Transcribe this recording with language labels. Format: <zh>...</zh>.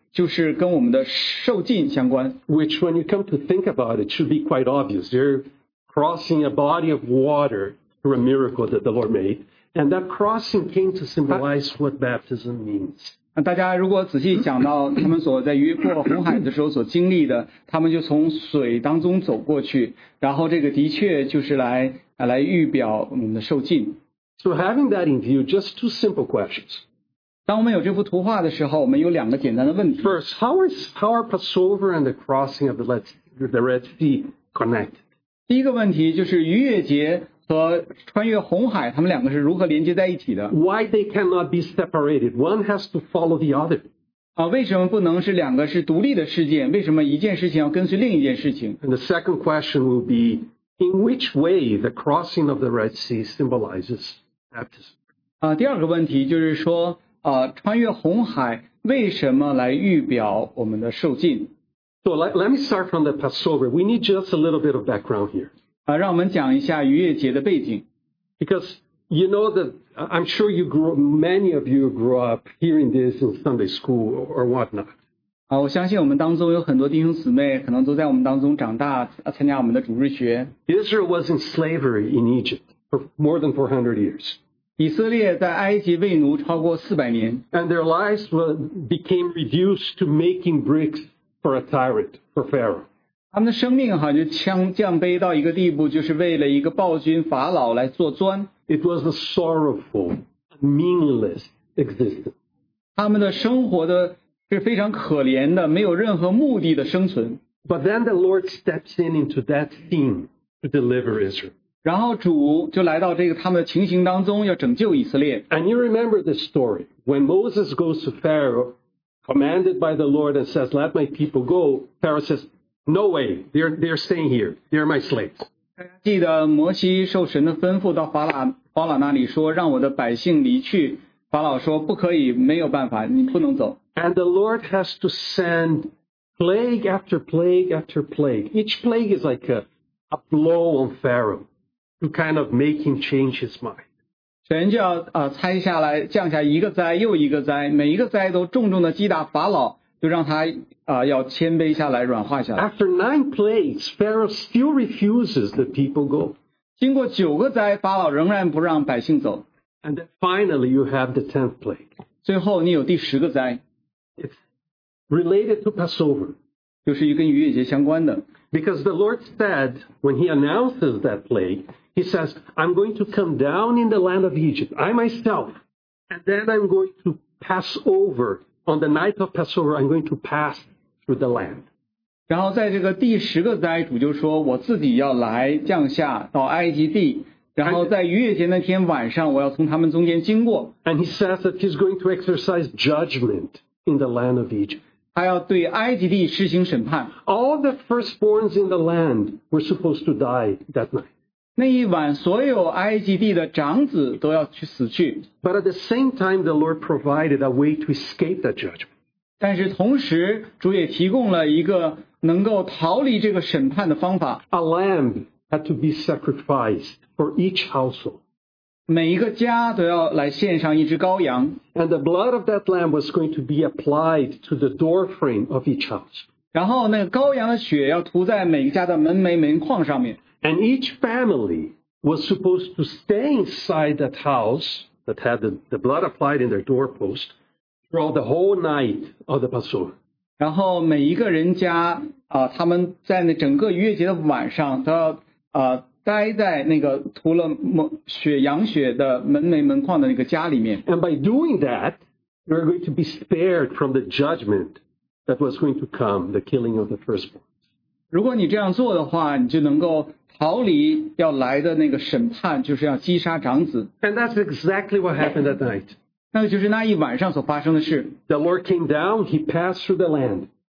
<zh>就是跟我们的受浸相关。</zh> <en>Which, when you come to think about it, should be quite obvious. You're crossing a body of water through a miracle that the Lord made, and that crossing came to symbolize what baptism means.</en> <zh>大家如果仔细想到他们所在越过红海的时候所经历的，他们就从水当中走过去，然后这个的确就是来预表我们的受浸。</zh> <en>So having that in view, just two simple questions.</en> <zh>当我们有这幅图画的时候，我们有两个简单的问题。</zh> <en>First, how are Passover and the crossing of the Red Sea connected?</en> <zh>第一个问题就是逾越节和穿越红海，他们两个是如何连接在一起的？</zh> <en>Why they cannot be separated? One has to follow the other.</en> <zh>为什么不能是两个是独立的事件？为什么一件事情要跟随另一件事情？</zh> <en>And the second question will be, in which way the crossing of the Red Sea symbolizes baptism?</en> <zh>第二个问题就是说穿越红海为什么来预表我们的受浸？</zh> <en>So let me start from the Passover. We need just a little bit of background here.</en> <zh>让我们讲一下逾越节的背景。</zh> <en>Because you know that I'm sure you grew many of you grew up hearing this in Sunday school or whatnot.</en> <zh>我相信我们当中有很多弟兄姊妹可能都在我们当中长大，参加我们的主日学。</zh> <en>Israel was in slavery in Egypt for more than 400 years.</en> <zh>以色列在埃及为奴超过400年。</zh> <en>And their lives became reduced to making bricks for a tyrant, for Pharaoh.</en> <zh>他们的生命好像就降卑到一个地步，就是为了一个暴君法老来做砖。</zh> <en>It was a sorrowful, meaningless existence.</en> <zh>他们的生活的是非常可怜的，没有任何目的的生存。</zh> <en>But then the Lord steps in into that scene to deliver Israel.</en> <zh>然后主就来到这个他们的情形当中要拯救以色列。</zh> <en>And you remember this story. When Moses goes to Pharaoh, commanded by the Lord and says, let my people go, Pharaoh says, no way, they're staying here. They're my slaves.</en> <zh>记得摩西受神的吩咐到法老那里说让我的百姓离去。法老说不可以，没有办法，你不能走。</zh> <en>And the Lord has to send plague after plague after plague. Each plague is like a blow on Pharaoh. To kind of make him change his mind.</en> <zh>神就要拆下来降下一个灾又一个灾，每一个灾都重重的击打法老，就让他要谦卑下来，软化下来。</zh> <en>After 9 plagues, Pharaoh still refuses the people go.</en> <zh>经过九个灾，法老仍然不让百姓走。</zh> <en>And then finally, you have the 10th plague.</en> <zh>最后你有第十个灾。</zh> <en>It's related to Passover.</en> <zh>就是跟逾越节相关的。</zh> <en>Because the Lord said, when he announces that plague, he says, I'm going to come down in the land of Egypt, I myself, and then I'm going to pass over, on the night of Passover, I'm going to pass through the land.</en> <zh>然后在这个第十个灾，主就说我自己要来降下到埃及地，然后在逾越节那天晚上，我要从他们中间经过。</zh> <en>And he says that he's going to exercise judgment in the land of Egypt.</en> <zh>他要对埃及地施行审判。</zh> <en>All the firstborns in the land were supposed to die that night.</en> <zh>那一晚所有埃及地的长子都要去死去。</zh> <en>But at the same time, the Lord provided a way to escape that judgment.</en> <zh>但是同时主也提供了一个能够逃离这个审判的方法。</zh> <en>A lamb had to be sacrificed for each household.</en> <zh>每一个家都要来献上一只羔羊。</zh> <en>And the blood of that lamb was going to be applied to the door frame of each house.</en> <zh>然后那个羔羊的血要涂在每个家的门楣门框上面。</zh> <en>And each family was supposed to stay inside that house that had the blood applied in their doorpost throughout the whole night of the Passover.</en> <zh>然后每一个人家他们在那整个逾越节的晚上都要待在那个涂了血羊血的门楣门框的那个家里面。</zh> <en>And by doing that, you're going to be spared from the judgment that was going to come, the killing of the firstborn.</en> <zh>如果你这样做的话，你就能够逃离要来的那个审判，就是要击杀长子。</zh> <en>And that's exactly what happened that night.</en> <zh>那就是那一晚上所发生的事。</zh> <en>The Lord came down, he passed through the land.</en>